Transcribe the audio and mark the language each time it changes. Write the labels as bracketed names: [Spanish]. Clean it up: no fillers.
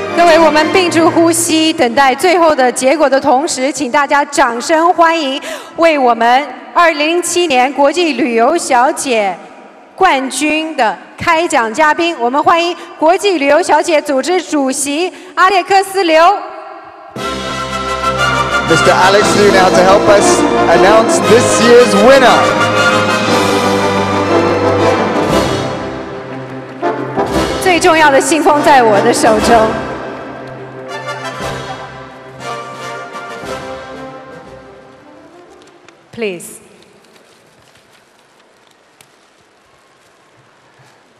[Chinese] 各位，我们屏住呼吸，等待最后的结果的同时，请大家掌声欢迎为我们2007年国际旅游小姐冠军的开奖嘉宾。我们欢迎国际旅游小姐组织主席阿列克斯刘。 [English] Mr. Alex Liu now to help us announce this year's winner. [Chinese] 最重要的信封在我的手中。 [English] Please.